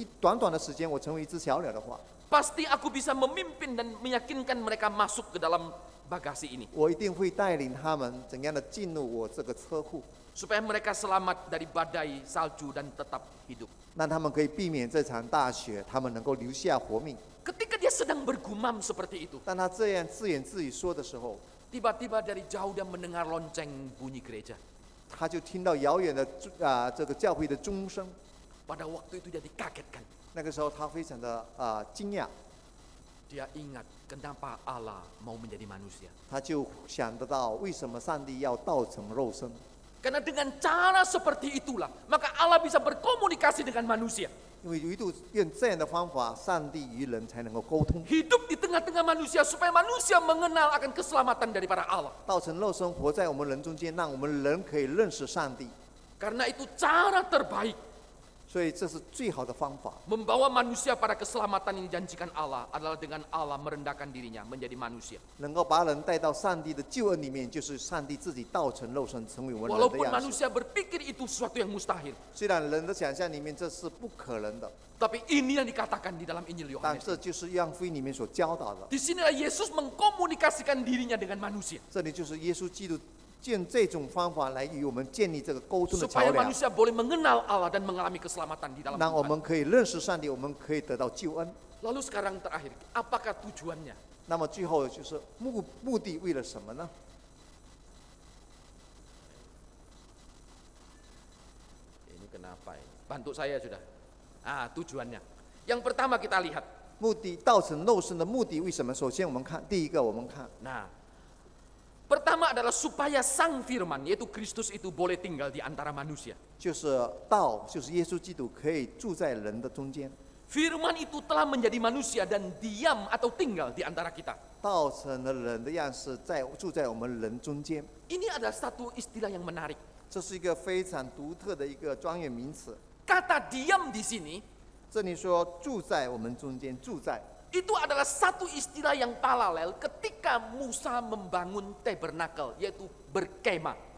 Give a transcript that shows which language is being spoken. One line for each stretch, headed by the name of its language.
Chinese: 就是一刹那之间，我就一短短的时间，我成为一只小鸟的话.
Indonesian: Pasti aku bisa memimpin dan meyakinkan mereka masuk ke dalam bagasi ini.
Chinese: 我一定会带领他们怎样的进入我这个车库.
Indonesian: Supaya mereka selamat dari badai salju dan tetap hidup.
Chinese: 让他们可以避免这场大雪，他们能够留下活命.
Indonesian: Ketika dia sedang bergumam seperti itu,
Chinese: 当他这样自言自语说的时候,
Indonesian: tiba-tiba dari jauh dia mendengar lonceng bunyi gereja.
Chinese: 他就听到遥远的这个教会的钟声.
Indonesian: Pada waktu itu dia dikagetkan.
Chinese: 那个时候他非常的惊讶.
Indonesian: Dia ingat kenapa Allah mau menjadi manusia.
Chinese: 他就想得到为什么上帝要道成肉身.
Indonesian: Karena dengan cara seperti itulah, maka Allah bisa berkomunikasi dengan manusia.
Chinese: 因为唯独用这样的方法，上帝与人才能够沟通。
Indonesian: Hidup di tengah-tengah manusia supaya manusia mengenal akan keselamatan daripada Allah.
Chinese: 道成肉身活在我们人中间，让我们人可以认识上帝。
Indonesian: Karena itu cara terbaik.
Chinese: 所以这是最好的方法。
Indonesian: Membawa manusia pada keselamatan yang dijanjikan Allah adalah dengan Allah merendahkan dirinya menjadi manusia.
Chinese: 能够把人带到上帝的救恩里面，就是上帝自己道成肉身，成为我们人的样式。
Indonesian: Walaupun manusia berpikir itu sesuatu yang mustahil.
Chinese: 虽然人的想象里面这是不可能的。
Indonesian: Tapi ini yang dikatakan di dalam Injil Yohanes.
Chinese: 但这就是约翰福音里面所教导的。
Indonesian: Di sinilah Yesus mengkomunikasikan dirinya dengan manusia.
Chinese: 这里就是耶稣基督。用这种方法来与我们建立这个沟通的桥梁。
Indonesian: Supaya manusia boleh mengenal Allah dan mengalami keselamatan di dalam Tuhan.
Chinese: 让我们可以认识上帝，我们可以得到救恩。
Indonesian: Lalu sekarang terakhir, apakah tujuannya?
Chinese: 那么最后就是目的为了什么呢？
Indonesian: Ini kenapa ini? Bantu saya sudah. Ah, tujuannya. Yang pertama kita lihat.
Chinese: 目的道成肉身的目的为什么？首先我们看第一个，我们看。
Indonesian: Nah. Pertama adalah supaya sang firman, yaitu Kristus itu boleh tinggal di antara manusia.
Chinese: 就是道，就是耶稣基督可以住在人的中间。
Indonesian: Firman itu telah menjadi manusia dan diam atau tinggal di antara kita.
Chinese: 道成了人的样式，住在我们人中间。
Indonesian: Ini adalah satu istilah yang menarik.
Chinese: 这是一个非常独特的一个专有名词。
Indonesian: Kata diam di sini.
Chinese: 这里说住在我们中间，住在。
Indonesian: Itu adalah satu istilah yang paralel ketika Musa membangun tabernakel, yaitu berkemah.